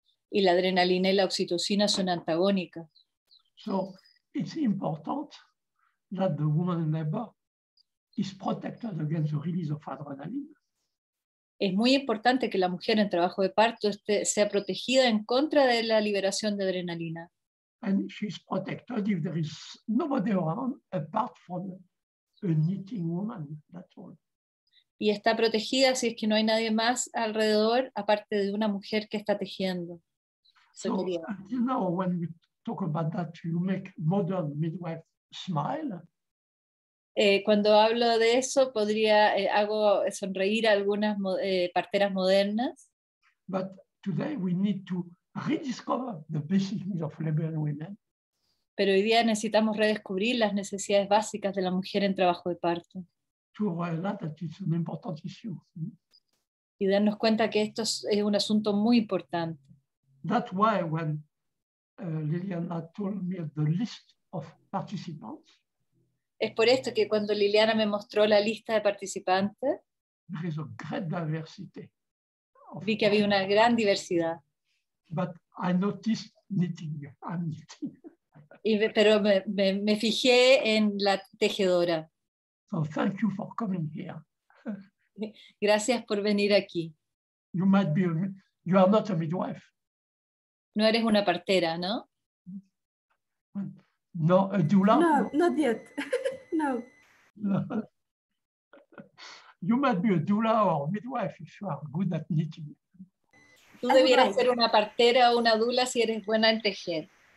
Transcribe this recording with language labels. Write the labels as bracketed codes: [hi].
[es] Y la adrenalina y la oxitocina son antagónicas. [en] So, it's important that the woman neighbor is protected against the release of adrenaline. [es] Es muy importante que la mujer en trabajo de parto esté, sea protegida en contra de la liberación de adrenalina. [en] And she's protected if there is nobody around apart from a knitting woman, that's all. [es] Y está protegida si es que no hay nadie más alrededor aparte de una mujer que está tejiendo. [en] So, you know, when we talk about that, you make modern midwife smile. [es] Cuando hablo de eso, podría hago sonreír a algunas parteras modernas. [en] But today we need to rediscover the basic needs of laboring women. [es] Pero hoy día necesitamos redescubrir las necesidades básicas de la mujer en trabajo de parto. [en] To realize that it's an important issue. [es] Y darnos cuenta que esto es un asunto muy importante. [en] That's why when Liliana told me the list of participants. [es] Es por esto que cuando Liliana me mostró la lista de participantes, [en] there is a great diversity [es] of vi que había una gran diversidad. [en] But I noticed knitting. I'm knitting. [es] Y pero me fijé en la tejedora. [en] So thank you for coming here. [es] Gracias por venir aquí. [en] You might be you are not a midwife. [es] No eres una partera, ¿no? [en] No, a doula. No, not yet. No. You might be a doula or midwife if you are good at knitting. [es] Tú debieras ser una partera o una doula si eres buena en tejer.